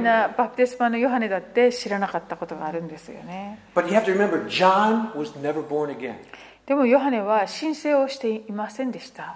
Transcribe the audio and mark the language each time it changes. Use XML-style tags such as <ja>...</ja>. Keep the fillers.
<ja>なバプテスマのヨハネだって知らなかったことがあるんですよね。</ja> <en>But you have to remember, John was never born again.</en> <ja>でもヨハネは申請をしていませんでした。</ja>